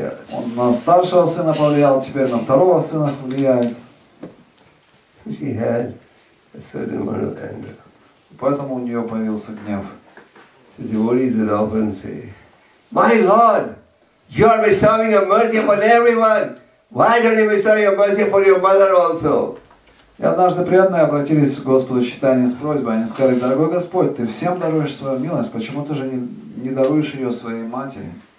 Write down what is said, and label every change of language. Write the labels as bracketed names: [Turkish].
[Russian] Он на старшего сына повлиял, теперь на второго сына влияет. [English] She had a certain amount of anger. [Russian] Поэтому у нее появился гнев. [English] The devotees would often say, My Lord, you are bestowing your mercy upon everyone. Why don't you bestow your mercy upon your mother also? [Russian] И однажды преданные обратились к Господу Читания с просьбой. Они сказали, дорогой Господь, ты всем даруешь свою милость, почему ты же не даруешь ее своей матери?